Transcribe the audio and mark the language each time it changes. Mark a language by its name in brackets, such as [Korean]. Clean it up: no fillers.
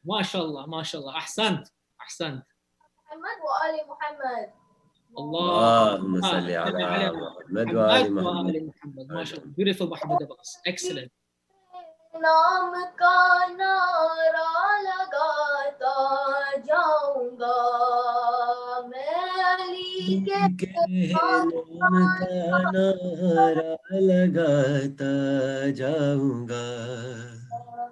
[Arabic] ماشاءاللہ ماشاءاللہ احسنت محمد و آل محمد اللهم صل على محمد و آل محمد [English] ماشاءاللہ beautiful Muhammad Abbas excellent [Urdu] نام کا نارا لگاتا جاؤں گا میں علی کے نام کا نارا لگاتا جاؤں گا